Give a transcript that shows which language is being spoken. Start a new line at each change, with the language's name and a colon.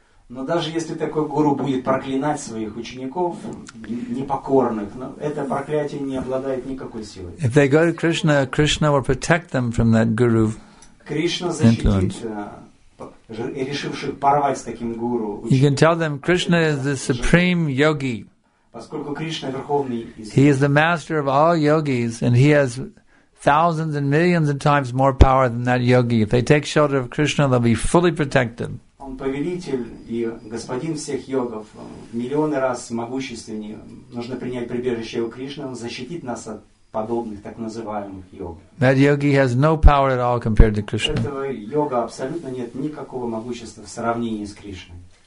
Russian: Но даже если такой гуру будет проклинать своих учеников, непокорных, но это проклятие не обладает никакой силой.
English: If they go to Krishna, Krishna will protect them from that guru influence.
Russian: Кришна защитит решивших порвать с таким гуру учеников.
English: You can tell them Krishna is the supreme yogi.
Russian: Поскольку Кришна верховный из.
English: He is the master of all yogis, and he has thousands and millions of times more power than that yogi. If they take shelter of Krishna, they'll be fully protected.
Russian: Он повелитель и господин всех йогов, миллионы раз могущественнее. Нужно принять прибежище у Кришны, он защитит нас от подобных, так называемых йогов.
English: That yogi has no power at all compared to Krishna.
Russian: Этого йога абсолютно нет никакого могущества в сравнении с Кришной.